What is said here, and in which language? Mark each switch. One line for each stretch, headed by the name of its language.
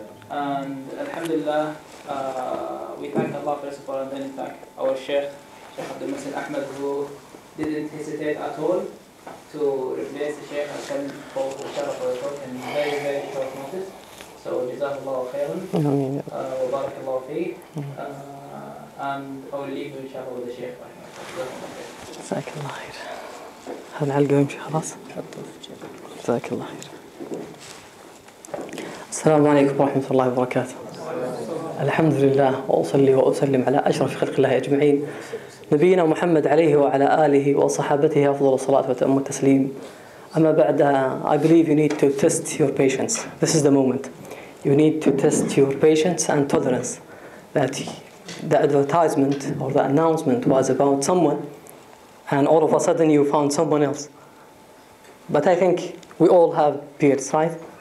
English: And alhamdulillah, we thank Allah first of all, and then we thank our Sheikh Abdul Masin Ahmed, who didn't hesitate at all to replace the Sheikh and send for the Sharaf of the talk in very, very short notice. So
Arabic: jazakallahu khairan, wa barakallahu fi,
English: and I will leave you inshallah with the Sheikh.
Arabic: جزاك الله خير. هل نعلقه يمشي خلاص؟ جزاك الله خير. السلام عليكم ورحمة الله وبركاته. الحمد لله وأصلي وأسلم على أشرف خلق الله أجمعين، نبينا محمد عليه وعلى آله وصحابته أفضل الصلاة وتأم التسليم. أما بعد،
English: I believe you need to test your patience. This is the moment. You need to test your patience and tolerance. That the advertisement or the announcement was about someone, and all of a sudden you found someone else. But I think we all have peers, right?